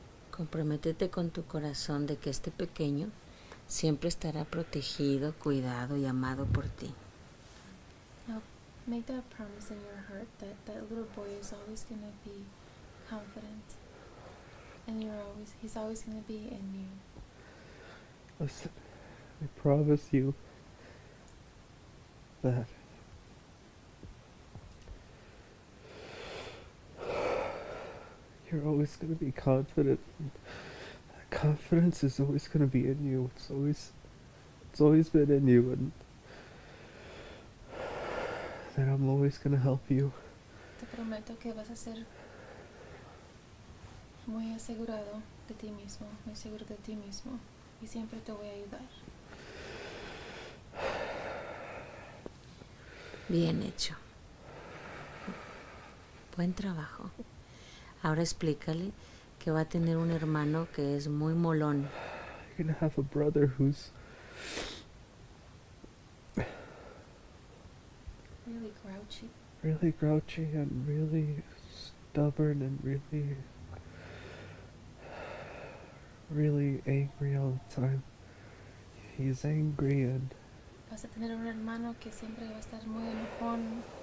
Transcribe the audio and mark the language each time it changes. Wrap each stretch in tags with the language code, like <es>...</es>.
<es>Comprométete con tu corazón de que este pequeño siempre estará protegido, cuidado y amado por ti.</es> <en>Now, make that promise in your heart that that little boy is always going to be confident. And he's always going to be in you. I promise you that. You're always going to be confident. That confidence is always going to be in you. It's always been in you, and that I'm always going to help you.</en> <es>Te prometo que vas a ser muy asegurado de ti mismo, muy seguro de ti mismo, y siempre te voy a ayudar. Bien hecho. Buen trabajo. Ahora explícale que va a tener un hermano que es muy molón.</es> <en>You're gonna have a brother who's really grouchy. Really grouchy and really stubborn and really, really angry all the time. He's angry and</en> <es>vas a tener un hermano que siempre va a estar muy enojón.</es>